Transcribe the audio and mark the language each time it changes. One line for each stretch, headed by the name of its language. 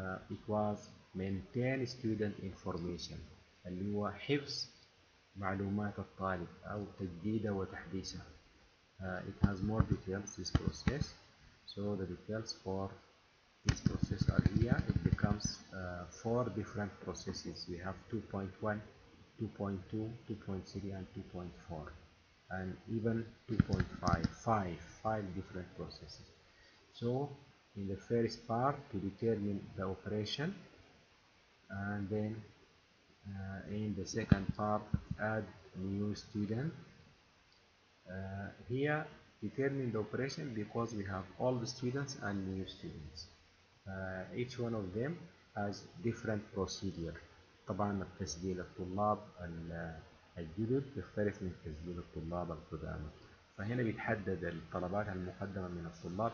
English: It was maintain student information,
Arabic: اللي هو حفظ معلومات الطالب أو تجديدها وتحديثها.
English: It has more details this process. So the details for this process are here. It becomes 4 different processes. We have 2.1, 2.2, 2.3, and 2.4, and even 2.5. Five different processes. So in the first part to determine the operation, and then in the second part add new student. Here determine the operation because we have all the students and new students. Each one of them has different procedure.
Arabic: طبعا تسجيل الطلاب الجدد يختلف من تسجيل الطلاب القدامى. فهنا بيتحدد الطلبات المقدمة من الطلاب.